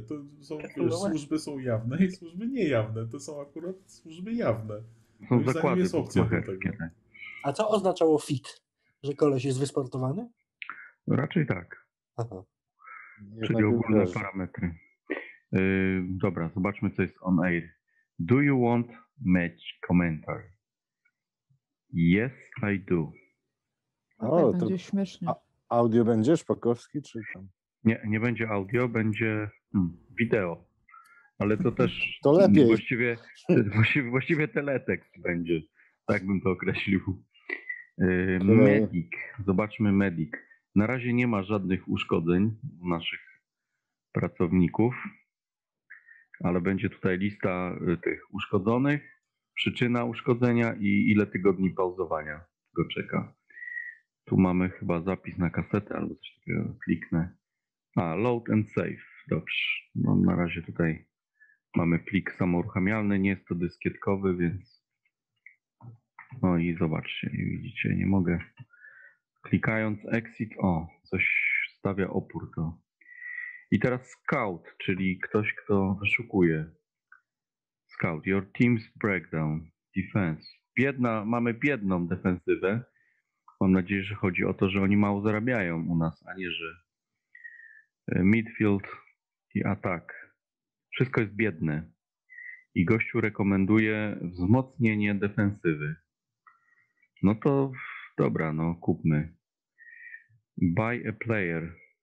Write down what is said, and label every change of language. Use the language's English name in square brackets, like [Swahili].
[Polish] To są, wiesz, służby są jawne i służby niejawne. To są akurat służby jawne. Są moim zakłady jest opcja do tego. A co oznaczało fit? Że koleś jest wysportowany? No raczej tak. Aha. Czyli ogólne też parametry. Dobra, zobaczmy, co jest on air. [English] Do you want match commentary? Yes, I do. [Polish] O, tak to będzie śmiesznie. Audio będzie, Szpakowski, czy tam? Nie, nie będzie audio, będzie wideo. Ale to też... To lepiej. Właściwie teletekst będzie. Tak bym to określił. Medic. Zobaczmy medic. Na razie nie ma żadnych uszkodzeń u naszych pracowników, ale będzie tutaj lista tych uszkodzonych, przyczyna uszkodzenia i ile tygodni pauzowania go czeka. Tu mamy chyba zapis na kasetę albo coś takiego, kliknę. A, load and save. Dobrze. No, na razie tutaj mamy plik samouruchamialny, nie jest to dyskietkowy, więc... No i zobaczcie, nie widzicie, nie mogę. Klikając exit, o, coś stawia opór to. I teraz scout, czyli ktoś, kto wyszukuje. [English] Scout, your team's breakdown, defense. [Polish] Mamy biedną defensywę. Mam nadzieję, że chodzi o to, że oni mało zarabiają u nas, a nie, że midfield i attack. Wszystko jest biedne. I gościu rekomenduje wzmocnienie defensywy. No to dobra, no kupmy. [English] Buy a player.